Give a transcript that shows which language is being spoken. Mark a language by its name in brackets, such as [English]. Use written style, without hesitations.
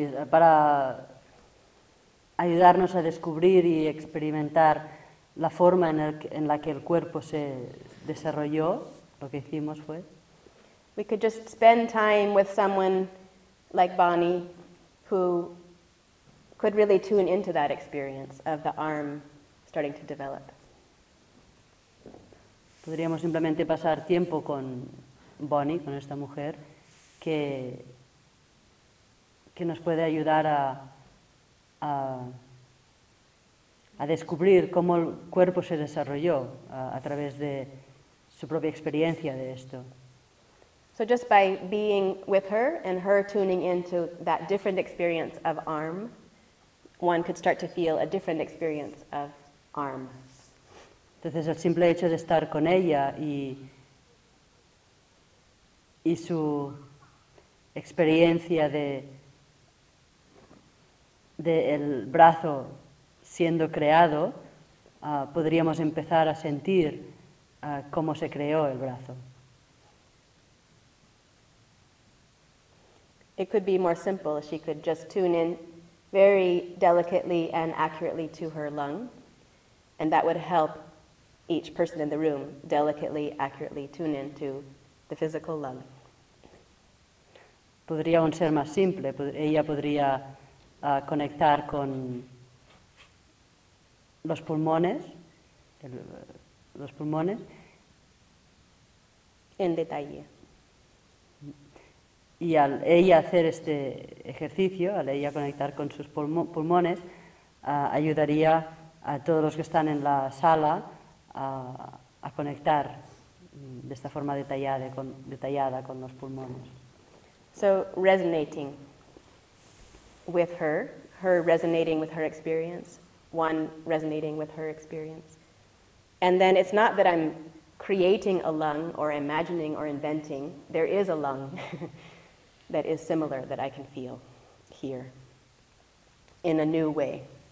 [Spanish] Para ayudarnos a descubrir y experimentar la forma en la que el cuerpo se desarrolló, lo que hicimos fue... [English] We could just spend time with someone like Bonnie who could really tune into that experience of the arm starting to develop. [Spanish] Podríamos simplemente pasar tiempo con Bonnie, con esta mujer, que nos puede ayudar a descubrir cómo el cuerpo se desarrolló a través de su propia experiencia de esto. [English] So just by being with her and her tuning into that different experience of arm, one could start to feel a different experience of arm. [Spanish] Entonces, el simple hecho de estar con ella y su experiencia de el brazo siendo creado, podríamos empezar a sentir cómo se creó el brazo. [English] It could be more simple. She could just tune in very delicately and accurately to her lung, and that would help each person in the room delicately, accurately tune in to the physical lung. [Spanish] Podría aún ser más simple. Ella podría conectar con los pulmones en detalle. Y al ella hacer este ejercicio, al ella conectar con sus pulmones, ayudaría a todos los que están en la sala a conectar de esta forma detallada con los pulmones. [English] So resonating with her resonating with her experience, one resonating with her experience. And then it's not that I'm creating a lung or imagining or inventing. There is a lung that is similar that I can feel here in a new way.